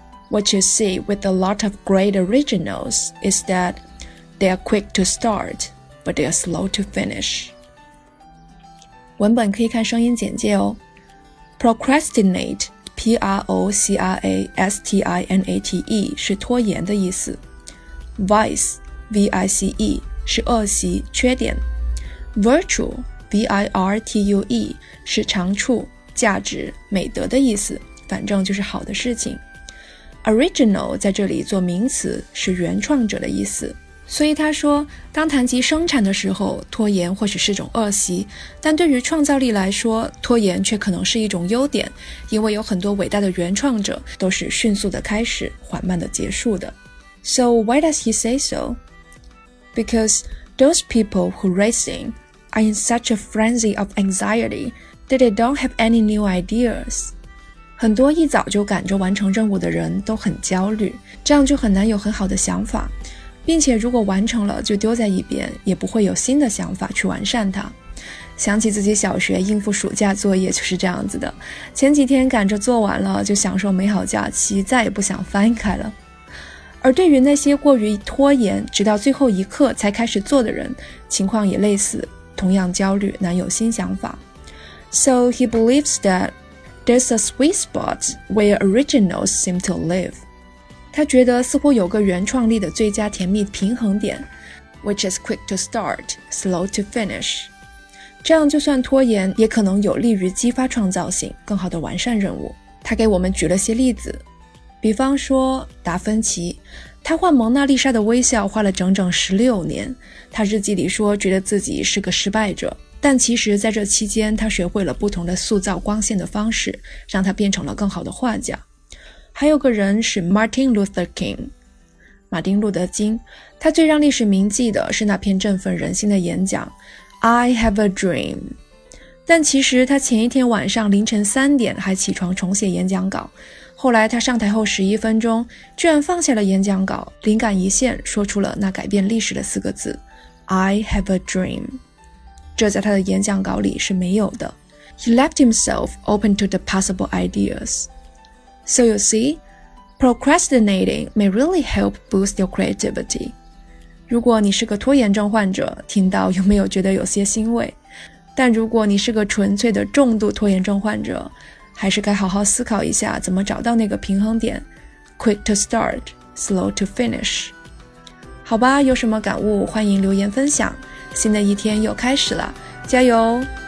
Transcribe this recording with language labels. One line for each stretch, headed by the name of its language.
English: What you see with a lot of great originals is that they are quick to start, but they are slow to finish.
Chinese: 文本可以看声音简介哦。 Procrastinate, P-R-O-C-R-A-S-T-I-N-A-T-E, 是拖延的意思。 Vice, V-I-C-E, 是恶习、缺点。 Virtue, V-I-R-T-U-E, 是长处。价值、美德的意思，反正就是好的事情。 Original 在这里做名词是原创者的意思，所以他说，当谈及生产的时候，拖延或许是种恶习，但对于创造力来说，拖延却可能是一种优点，因为有很多伟大的原创者都是迅速的开始，缓慢的结束的。
English: So why does he say so? Because those people who racing are in such a frenzy of anxiety. That they don't have any new ideas.
Chinese: 很多一早就赶着完成任务的人都很焦虑，这样就很难有很好的想法，并且如果完成了就丢在一边，也不会有新的想法去完善它。想起自己小学应付暑假作业就是这样子的，前几天赶着做完了就享受美好假期，再也不想翻开了。而对于那些过于拖延，直到最后一刻才开始做的人，情况也类似，同样焦虑，难有新想法。
English: So he believes that there's a sweet spot where originals seem to live.
Chinese: 他觉得似乎有个原创力的最佳甜蜜平衡点，
English: which is quick to start, slow to finish.
Chinese: 这样就算拖延也可能有利于激发创造性，更好地完善任务。他给我们举了些例子，比方说达芬奇，他画蒙娜丽莎的微笑画了整整16年，他日记里说觉得自己是个失败者，但其实在这期间他学会了不同的塑造光线的方式，让他变成了更好的画家。还有个人是 Martin Luther King， 马丁路德金，他最让历史铭记的是那篇振奋人心的演讲
English: I have a dream，
Chinese: 但其实他前一天晚上凌晨三点还起床重写演讲稿，后来他上台后11分钟居然放下了演讲稿，灵感一现，说出了那改变历史的四个字 I have a dream，这在他的演讲稿里是没有的。
English: He left himself open to the possible ideas. So you see, procrastinating may really help boost your creativity.
Chinese: 如果你是个拖延症患者，听到有没有觉得有些欣慰？但如果你是个纯粹的重度拖延症患者，还是该好好思考一下怎么找到那个平衡点。
English: Quick to start, slow to finish.
Chinese: 好吧，有什么感悟，欢迎留言分享。新的一天又开始了，加油！